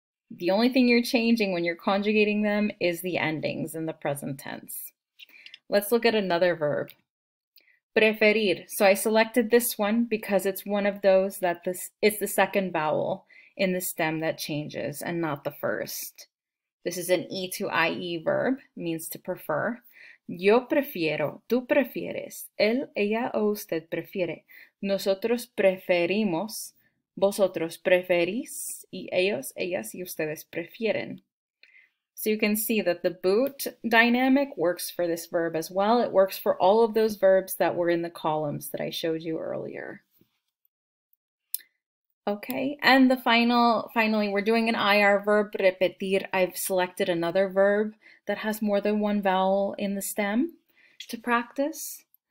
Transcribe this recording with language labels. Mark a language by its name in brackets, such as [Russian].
[English] The only thing you're changing when you're conjugating them is the endings in the present tense. Let's look at another verb. Preferir. So I selected this one because it's one of those that this it's the second vowel in the stem that changes and not the first. This is an E to IE verb, means to prefer. [Spanish] Yo prefiero, tú prefieres, él, ella o usted prefiere. Nosotros preferimos, vosotros preferís, y ellos, ellas y ustedes prefieren. [English] So you can see that the boot dynamic works for this verb as well. It works for all of those verbs that were in the columns that I showed you earlier. Okay, and finally, we're doing an IR verb, repetir. I've selected another verb that has more than one vowel in the stem to practice.